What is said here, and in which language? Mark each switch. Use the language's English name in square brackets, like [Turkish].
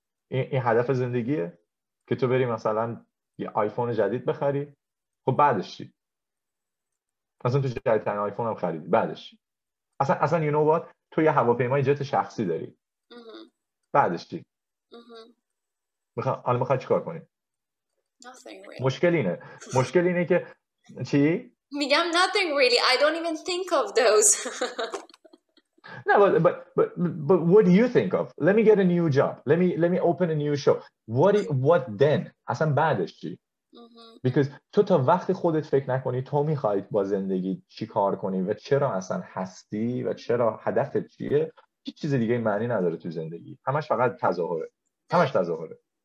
[Persian] این هدف زندگیه؟ که تو بری مثلا یه آیفون جدید بخری؟ خب بعدش چی؟ مثلا تو جدیدترین آیفون هم خریدی، بعدش چی؟ اصلا [English] you know what؟ [Persian] تو یه هواپیمای جت شخصی داری، بعدش چی؟ الان میخواد چیکار کنی؟ مشکل اینه که چی؟ میگم [English] nothing really. I don't even think of those. No, but what do you think of? Let me get a new job. Let me open a new show. What then? [Persian] اصلا بعدش چی؟ Because تو تا وقتی خودت فکر نکنی تو میخواید با زندگی چی کار کنی و چرا اصلا هستی و چرا هدفت چیه، هیچ چیز دیگه معنی نداره تو زندگی. همش فقط تظاهره. همش تظاهره.